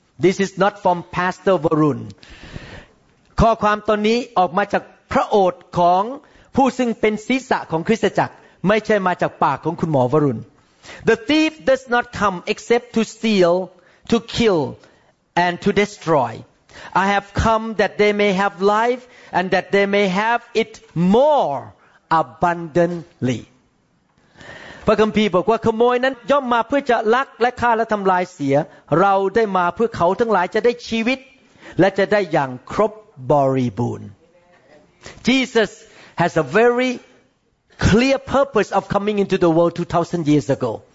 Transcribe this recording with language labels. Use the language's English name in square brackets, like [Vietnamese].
[English] This is not from Pastor Varun. [Thai] ข้อความตอนนี้ออกมาจากพระโอษฐ์ของผู้ซึ่งเป็นศีรษะของคริสตจักรไม่ใช่มาจากปากของคุณหมอวรุณ [English] The thief does not come except to steal, to kill, and to destroy. I have come that they may have life and that they may have it more abundantly. [Thai] พระคัมภีร์บอกว่าขโมยนั้นย่อมมาเพื่อจะลักและฆ่าและทำลายเสียเราได้มาเพื่อเขาทั้งหลายจะได้ชีวิตและจะได้อย่างครบบริบูรณ์ [English] Jesus has a very clear purpose of coming into the world 2,000 years ago.